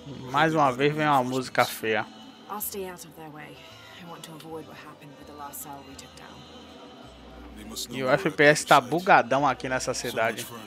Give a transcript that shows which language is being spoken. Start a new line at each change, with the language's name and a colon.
Portuguese: Mais uma vez vem uma música feia.
English: I'll stay out of their way. I want to avoid what happened with the last cell we took down.
Portuguese: E o FPS tá bugadão aqui nessa cidade.